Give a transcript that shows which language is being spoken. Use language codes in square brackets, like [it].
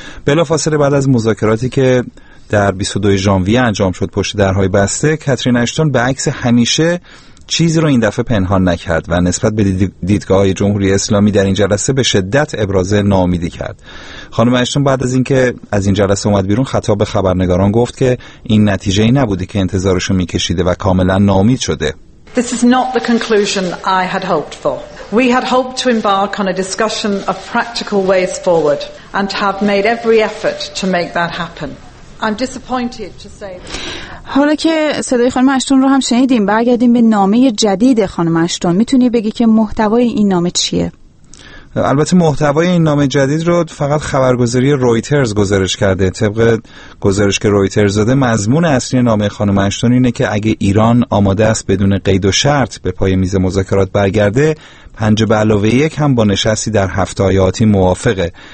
[fa] بلافاصله بعد از مذاکراتی که در 22 ژانویه انجام شد پشت درهای بسته، کاترین اشتون به عکس همیشه چیزی رو این دفعه پنهان نکرد و نسبت به دیدگاه های جمهوری اسلامی در این جلسه به شدت ابراز ناامیدی کرد. خانم اشتون بعد از اینکه از این جلسه اومد بیرون خطاب به خبرنگاران گفت که این نتیجه ای نبوده که انتظارشو میکشیده و کاملا ناامید شده. [en] This is not the conclusion I had hoped for. We had hoped to embark on a discussion of practical ways forward and have made every effort to make that happen. I'm disappointed to say [fa] حالا که صدای خانم اشتون رو هم شنیدیم، برگردیم به نامه جدید خانم اشتون. میتونی بگی که محتوای این نامه چیه؟ البته محتوای این نامه جدید رو فقط خبرگزاری رویترز گزارش کرده. طبق گزارش که رویترز داده، مضمون اصلی نامه خانم اشتون اینه که اگه ایران آماده است بدون قید و شرط به پای میز مذاکرات برگرده، 5+1 هم با نشستی در هفته‌های آتی موافقه.